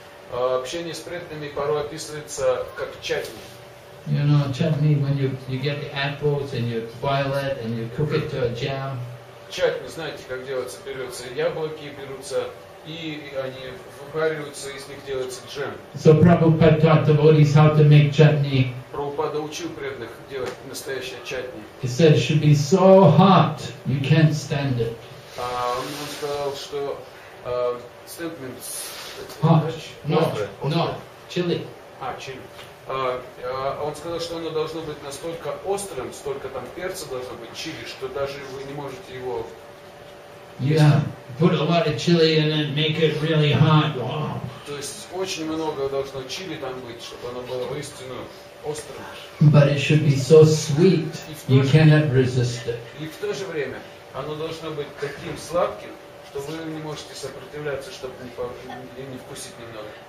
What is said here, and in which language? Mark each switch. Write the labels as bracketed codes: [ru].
[ru] Общение с преданными порой описывается как чатни. [en] You know, chutney when you get the apples and you boil it and you cook it to a jam. [ru] Чатни, знаете, как делается? Берутся яблоки, берутся и они вариваются, из них делается джем. [en] So Prabhupada taught devotees how to make chutney. [ru] Прабхупада учил преданных делать настоящее чатни. [en] He said it should be so hot you can't stand it. [ru] Он сказал, что statement. [en] No, chili. Chili. [ru] Он сказал, что оно должно быть настолько острым, столько там перца должно быть, чили, что даже вы не можете его. [en] Yeah, put a lot of chili in it, make it really hot. Wow. [ru] То есть очень много должно чили там быть, чтобы оно было воистину острым. [en] But it should be so sweet, you cannot resist it. [ru] И в то же время оно должно быть таким сладким, что вы не можете сопротивляться, чтобы не вкусить немного.